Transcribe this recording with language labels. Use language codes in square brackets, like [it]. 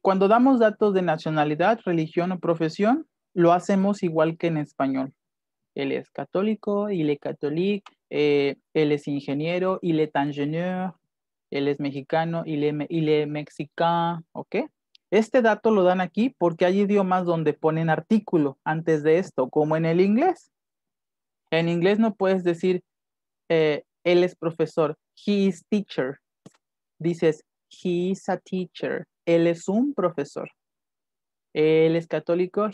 [es] Cuando damos datos de nacionalidad, religión o profesión, lo hacemos igual que en español. Él es católico, [fr] il est catholique, [es] él es ingeniero, [fr] il est ingénieur, [es] él es mexicano, [fr] il est mexicain. [es] Ok. Este dato lo dan aquí porque hay idiomas donde ponen artículo antes de esto, como en el inglés. En inglés no puedes decir él es profesor. [en] He is teacher. Dices, he is a teacher. [es] Él es un profesor. Él es católico.